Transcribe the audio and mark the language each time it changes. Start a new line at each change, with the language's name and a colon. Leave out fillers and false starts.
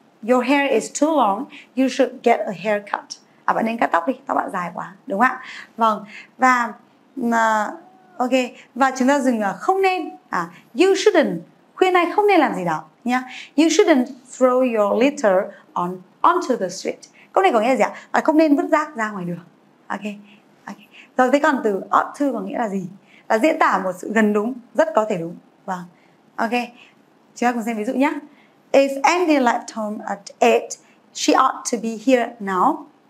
English: Your hair is too long, you should get a haircut.
Vietnamese: À, bạn nên cắt tóc đi, tóc bạn dài quá, đúng không ạ? Vâng. Và ok, và chúng ta dừng ở không nên. À,
English: you shouldn't.
Vietnamese: Khuyên ai không nên làm gì đó nhá.
English: You shouldn't throw your litter onto the street.
Vietnamese: Câu này có nghĩa là gì ạ? À, không nên vứt rác ra ngoài đường. Ok. Rồi thế còn từ ought to có nghĩa là gì? Là diễn tả một sự gần đúng, rất có thể đúng. Vâng. Ok. Chúng ta cùng xem ví dụ nhá.
English: If Andy left home at 8, she ought to be here now.